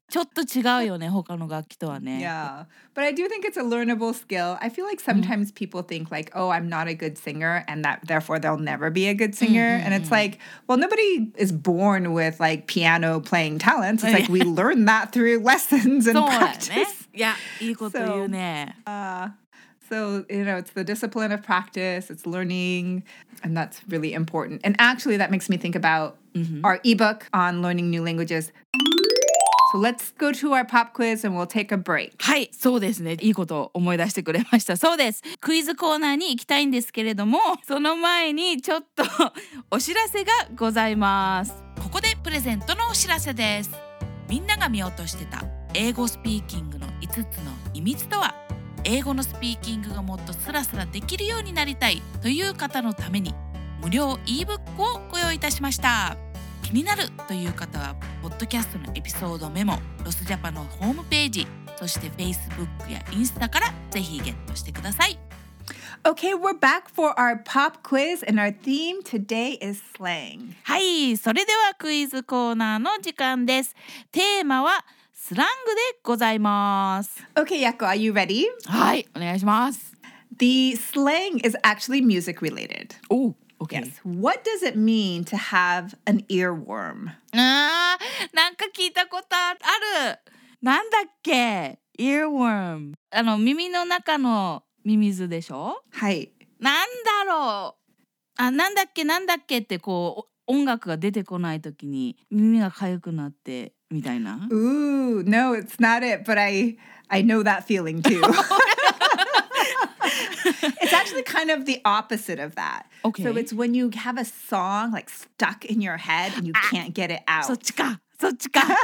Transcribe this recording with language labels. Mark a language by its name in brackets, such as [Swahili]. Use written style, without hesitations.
[Japanese] ちょっと違うよね、他の楽器とはね。 [English] Yeah. But I do think it's a learnable skill. I feel like sometimes people think like, oh, I'm not a good singer and that therefore they'll never be a good singer. And it's like, well, nobody is born with like piano playing talents. It's like we learn that through lessons and practice. Yeah, [Japanese] いいこと言うね。 [English] So, you know, it's the discipline of practice, it's learning, and that's really important. And actually, that makes me think about our ebook on learning new languages. So let's go to our pop quiz and we'll take a break. [Japanese] はい、そうですね。いいことを思い出してくれました。そうです。クイズコーナーに行きたいんですけれども、その前にちょっとお知らせがございます。ここでプレゼントのお知らせです。みんなが見落としてた英語スピーキングの5つの秘密とは、英語のスピーキングがもっとスラスラできるようになりたいという方のために無料 e-book をご用意いたしました。気になるという方はポッドキャストのエピソードメモ、ロスジャパのホームページ、そして Facebook やインスタからぜひゲットしてください。 [English] Okay, we're back for our pop quiz and our theme today is slang. [Japanese] はい、それではクイズコーナーの時間です。テーマはスラングでございます。 [English] Okay, Yako, are you ready? [Japanese] はい、お願いします。 [English] The slang is actually music related. Oh, okay. Yes. What does it mean to have an earworm? [Japanese] なんか聞いたことある。なんだっけ?Earworm. あの、耳の中のミミズでしょ? はい。なんだろう? あ、なんだっけ、なんだっけってこう、音楽が出てこないときに耳が痒くなってみたいな。 [English] Ooh, no, it's not it, but I know that feeling too. It's actually kind of the opposite of that. Okay. So it's when you have a song like stuck in your head and you can't get it out. [Japanese] そっちか、そっちか。